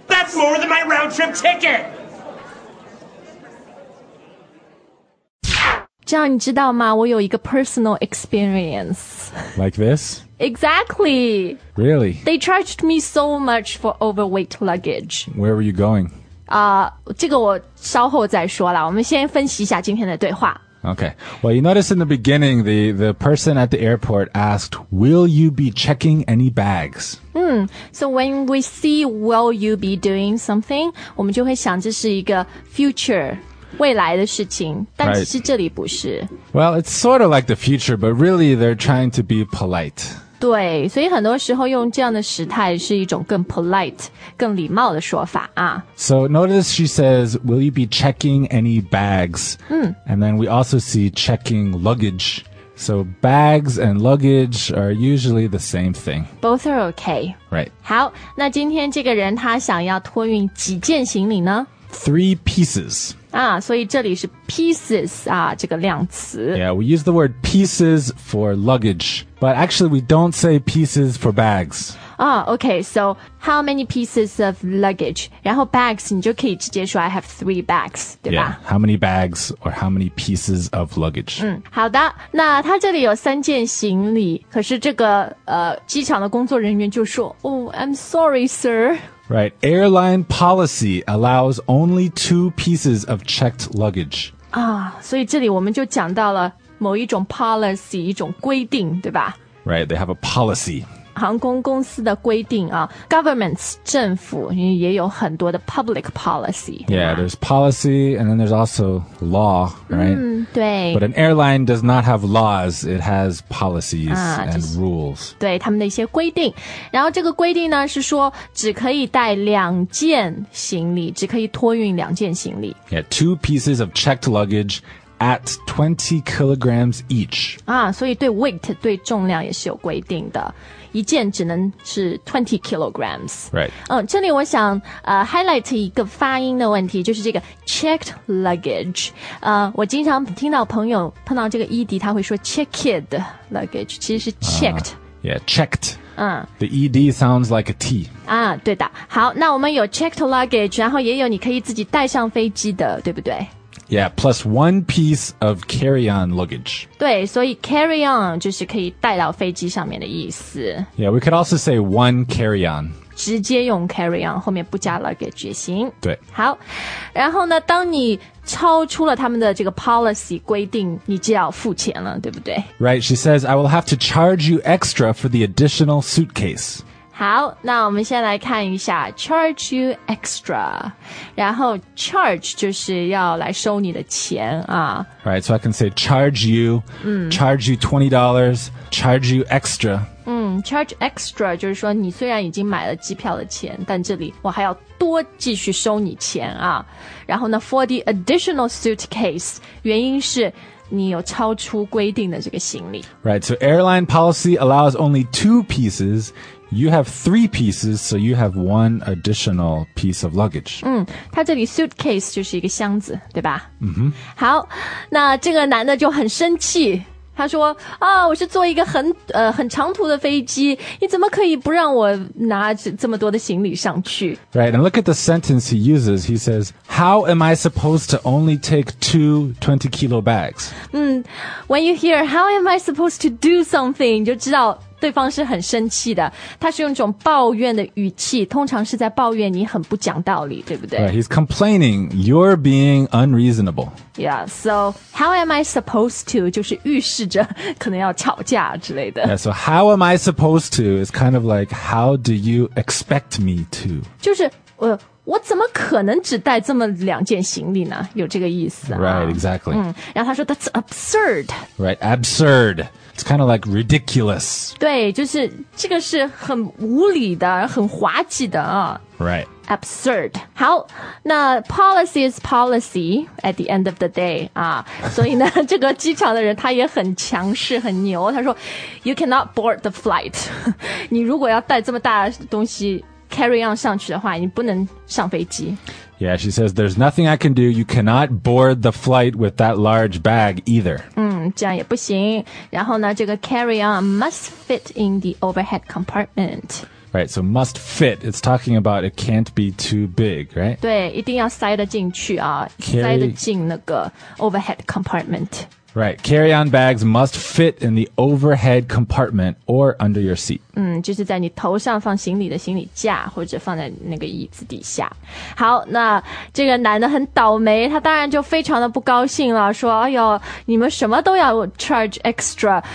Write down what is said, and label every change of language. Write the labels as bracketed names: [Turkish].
[English] That's more than my round-trip ticket! [Chinese] 这样你知道吗？我有一个 [English] personal experience. Like this? Exactly. Really? They charged me so much for overweight luggage. Where were you going? [Chinese] 这个我稍后再说了。我们先分析一下今天的对话。 [English] Okay. Well, you notice in the beginning, the person at the airport asked, will you be checking any bags? So when we see, will you be doing something? [Chinese] 我们就会想这是一个 future. 未来的事情但其实这里不是、 [English] right. Well, it's sort of like the future, but really they're trying to be polite. [Chinese] 对，所以很多时候用这样的时态是一种更 polite, 更礼貌的说法啊。 [English] So notice she says, will you be checking any bags? And then we also see checking luggage. So bags and luggage are usually the same thing. Both are okay. Right. [Chinese] 好，那今天这个人他想要托运几件行李呢？ [English] 3 pieces. Ah, so here is pieces, ah, this 量词 Yeah, we use the word pieces for luggage, but actually we don't say pieces for bags. Ah, okay, so how many pieces of luggage? [Chinese] 然后 bags, 你就可以直接说 [English] I have 3 bags, [Chinese] 对吧 [English] Yeah, how many bags or how many pieces of luggage? [Chinese] 好的，那他这里有三件行李，可是这个机场的工作人员就说 [English] Oh, I'm sorry, sir. Right, airline policy allows only 2 pieces of checked luggage. [Chinese] 啊，所以这里我们就讲到了某一种 policy, 一种规定，对吧？ [English] Right, they have a policy. [Chinese] 航空公司的规定啊 governments, 政府也有很多的 public policy. [English] Yeah, there's policy and then there's also law, right? [Chinese] 对。 [English] But an airline does not have laws, it has policies and rules. [Chinese] 对他们的一些规定。然后这个规定呢是说只可以带两件行李只可以托运两件行李。 [English] Yeah, 2 pieces of checked luggage at 20 kilograms each. [Chinese] 啊所以对 weight, 对重量也是有规定的。一件只能是 20 kilograms. [English] Right. [Chinese] 这里我想highlight 一个发音的问题就是这个 checked luggage. 我经常听到朋友碰到这个 ED, 他会说 checked luggage, 其实是 checked. [English] Yeah, checked. The ED sounds like a T. [Chinese] 对的。好那我们有 checked luggage, 然后也有你可以自己带上飞机的对不对 [English] Yeah, plus 1 piece of carry-on luggage. [Chinese] 对所以 carry-on 就是可以带到飞机上面的意思。 [English] Yeah, we could also say 1 carry-on. [Chinese] 直接用 carry-on, 后面不加 luggage 也行。对。好然后呢当你超出了他们的这个 policy 规定你就要付钱了对不对 [English] Right, she says, I will have to charge you extra for the additional suitcase. [Chinese] 好那我们先来看一下 [English] charge you extra [Chinese] 然后 charge 就是要来收你的钱啊 [English] Right, so I can say charge you, charge you $20, charge you extra. [Chinese] charge extra 就是说你虽然已经买了机票的钱，但这里我还要多继续收你钱啊。然后呢 [English] for the additional suitcase， [Chinese] 原因是你有超出规定的这个行李。 [English] Right, so airline policy allows only two pieces. You have three pieces, so you have one additional piece of luggage. [Chinese] 他这里 suitcase 就是一个箱子，对吧？嗯哼。好，那这个男的就很生气，他说啊，我是坐一个很长途的飞机，你怎么可以不让我拿这么多的行李上去？ [English] Right, and look at the sentence he uses. He says, how am I supposed to only take two 20 kilo bags? When you hear, how am I supposed to do something, [Chinese] 你就知道对方是很生气的。他是用一种抱怨的语气，通常是在抱怨你很不讲道理，对不对？ [English] Right, he's complaining, you're being unreasonable. Yeah, so how am I supposed to? [Chinese] 就是预示着可能要吵架之类的。 [English] Yeah, so how am I supposed to? It's kind of like, how do you expect me to? [Chinese] 就是我怎么可能只带这么两件行李呢？有这个意思啊。 [English] Right, exactly. [Chinese] 然后他说 [English] that's absurd. Right, absurd. It's kind of like ridiculous. 对，就是这个是很无理的，很滑稽的啊。 Right. Absurd. 好，那 policy is policy at the end of the day. [Chinese] 啊，所以呢，这个机场的人他也很强势，很牛。他说 [English] ，You cannot board the flight. [Chinese] 你如果要带这么大的东西 carry on 上去的话，你不能上飞机。 [English] Yeah, she says, there's nothing I can do. You cannot board the flight with that large bag either. [Chinese] 这样也不行。然后呢，这个 [English] carry on must fit in the overhead compartment. Right, so must fit. It's talking about it can't be too big, right? [Chinese] 对，一定要塞得进去啊 [English] carry, [Chinese] 塞得进那个 overhead compartment. [English] Right, carry-on bags must fit in the overhead compartment or under your seat. [Chinese] 就是在你头上放行李的行李架或者放在那个椅子底下。好，那这个男的很倒霉，他当然就非常的不高兴了，说哎呦，你们什么都要 charge extra.